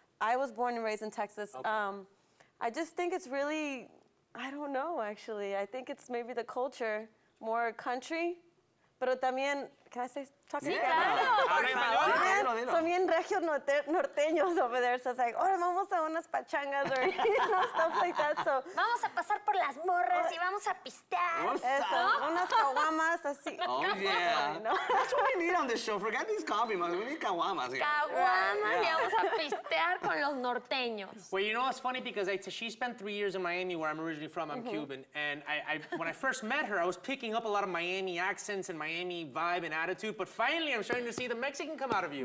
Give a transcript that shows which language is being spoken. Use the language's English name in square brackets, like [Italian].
[English] I was born and raised in Texas. Okay. I just think it's really, I don't know, actually. I think it's maybe the culture, more country. [Spanish] Pero también, [English] can I say, talk to you guys? [Spanish] Claro. Son bien regios norteños [English] over there. So it's like, oh, [Spanish] vamos a unas pachangas [English] or, you know, stuff like that. So [Spanish] vamos a pasar por las morras y vamos a pistear. Eso, unas caguamas, así. [English] Oh, yeah. That's what we need on this show. Forget these coffee mugs. We need caguamas. [Spanish] Caguamas y vamos a pistear con los norteños. [English] Well, you know what's funny? Because she spent 3 years in Miami, where I'm originally from. I'm Cuban. And I when I first met her, I was picking up a lot of Miami accents and Miami vibe and attitude. But finally, I'm starting to see the Mexican come out of you.